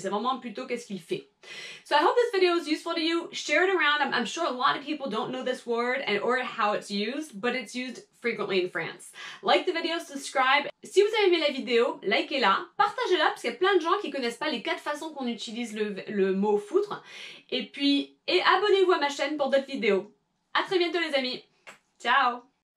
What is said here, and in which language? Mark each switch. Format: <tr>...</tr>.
<fr>C'est vraiment plutôt qu'est-ce qu'il fait.</fr> <en>So I hope this video is useful to you. Share it around. I'm sure a lot of people don't know this word and or how it's used, but it's used frequently in France. Like the video, subscribe.</en> <fr>Si vous avez aimé la vidéo, likez-la. Partagez-la parce qu'il y a plein de gens qui connaissent pas les quatre façons qu'on utilise le mot foutre. Et abonnez-vous à ma chaîne pour d'autres vidéos. À très bientôt les amis. Ciao.</fr>